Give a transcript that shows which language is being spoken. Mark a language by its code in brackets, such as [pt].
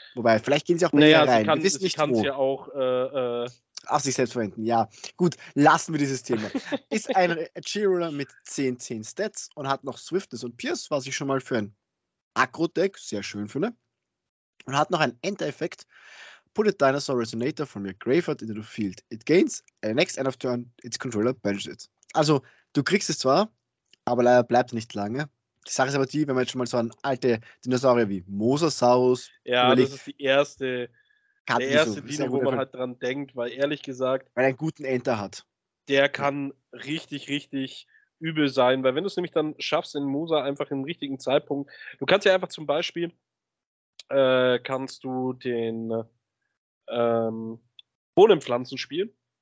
[de] Wobei, vielleicht gehen sie auch bei ihr rein. Naja, sie kann es ja auch auf sich selbst verwenden, ja. Gut, lassen wir dieses Thema. Ist ein Cheerleader mit 10-10 Stats und hat noch Swiftness und Pierce, was ich schon mal für ein Aggro-Deck sehr schön finde. Und hat noch einen Enter-Effekt. [en] Put a Dinosaur Resonator from your graveyard into the field. It gains. At the next end of turn, its controller banishes it. [de] Also, du kriegst es zwar, aber leider bleibt es nicht lange. Die Sache ist aber die, wenn man jetzt schon mal so einen alten Dinosaurier wie Mosasaurus. Ja, überlegt, das ist die erste. Karte, der erste so, Dino, wo man halt dran denkt, weil ehrlich gesagt... Weil er einen guten Enter hat. Der kann richtig, richtig übel sein, weil wenn du es nämlich dann schaffst in Musa einfach im richtigen Zeitpunkt, du kannst ja einfach zum Beispiel kannst du den Bohnenpflanzen spielen.